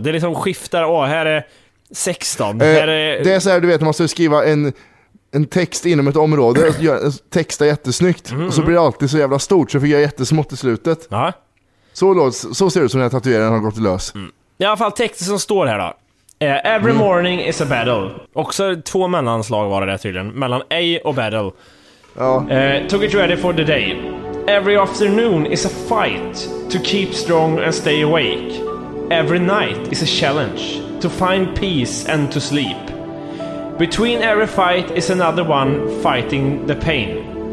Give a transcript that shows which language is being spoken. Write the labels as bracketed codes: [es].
[sv] Det liksom skiftar, här är 16. Det är så här, du vet, man måste skriva en text inom ett område och texta jättesnyggt. Och så blir det alltid så jävla stort, så fick jag jättesmått i slutet. Så ser det ut som när jag tatueringen har gått lös. I alla fall texten som står här då. [en] Every morning is a battle. [sv] Också två mellanslag var det tydligen. Mellan A och battle. [en] Took it ready for the day. Every afternoon is a fight to keep strong and stay awake. Every night is a challenge to find peace and to sleep. Between every fight is another one fighting the pain.